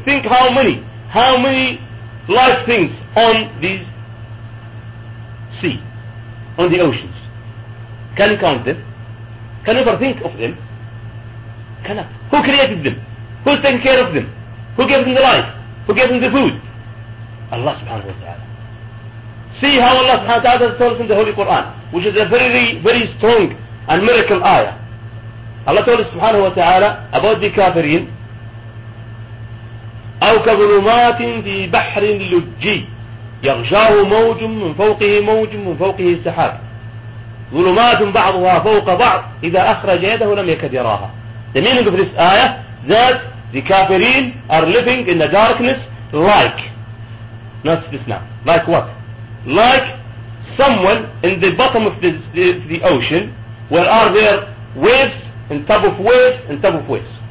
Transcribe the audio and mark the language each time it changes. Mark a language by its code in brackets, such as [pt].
[en] Think how many life things on these sea, on the oceans. Can you count them? Can you ever think of them? Cannot. Who created them? Who's taking care of them? Who gave them the life? Who gave them the food? Allah subhanahu wa ta'ala. See how Allah subhanahu wa ta'ala told us in the Holy Quran, which is a very, very strong and miracle ayah. Allah told us subhanahu wa ta'ala about the kafirin. [ar] أو كظلمات في بحر لجي يغشاه موج من فوقه موج من فوقه سحاب ظلمات بعضها فوق بعض إذا أخرج يده لم يكد يراها. [en] The meaning of this ayah that the kafirin are living in the darkness like, not this now, like what? Like someone in the bottom of the ocean where are there waves on top of waves on top of waves.